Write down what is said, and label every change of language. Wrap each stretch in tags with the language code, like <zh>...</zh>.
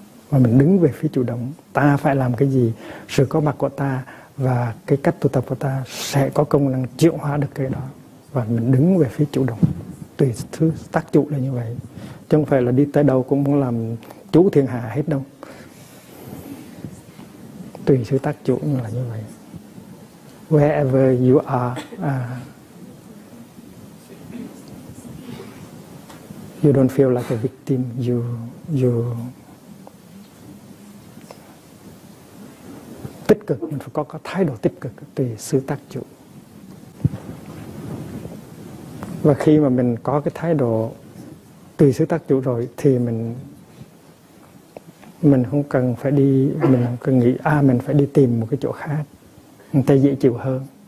<vi>Và mình đứng về phía chủ động, ta phải làm cái gì, sự có mặt của ta và cái cách tu tập của ta sẽ có công năng chịu hóa được cái đó. Và mình đứng về phía chủ động, tùy thứ tác chủ là như vậy. Chứ không phải là đi tới đâu cũng muốn làm chủ thiên hạ hết đâu. Tùy sự tác chủ là như vậy.</vi> <en>Wherever you are, you don't feel like a victim.</en> <vi>You tích cực, mình phải có thái độ tích cực, tùy sự tác chủ. Và khi mà mình có cái thái độ tùy sự tác chủ rồi thì mình không cần phải đi, mình không cần nghĩ mình phải đi tìm một cái chỗ khác, người ta dễ chịu hơn.</vi>